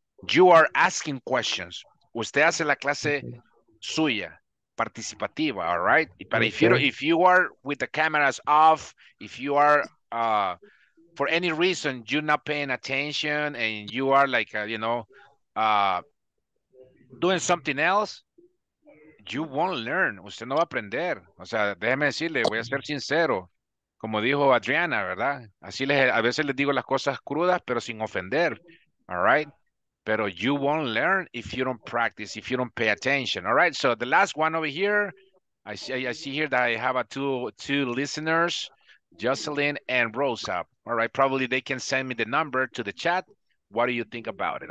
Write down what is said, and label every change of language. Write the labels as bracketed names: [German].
[English] You are asking questions. [Spanish] Usted hace la clase suya, participativa, [English] all right? But okay. If you are with the cameras off, if you are... for any reason, you're not paying attention and you are like, you know, doing something else, you won't learn. [Spanish] Usted no va a aprender. O sea, déjeme decirle, voy a ser sincero. Como dijo Adriana, ¿verdad? Así les, a veces les digo las cosas crudas, pero sin ofender. [English] All right? Pero you won't learn if you don't practice, if you don't pay attention. All right? So the last one over here, I see here that I have a two listeners, Jocelyn and Rosa. All right, probably they can send me the number to the chat. What do you think about it?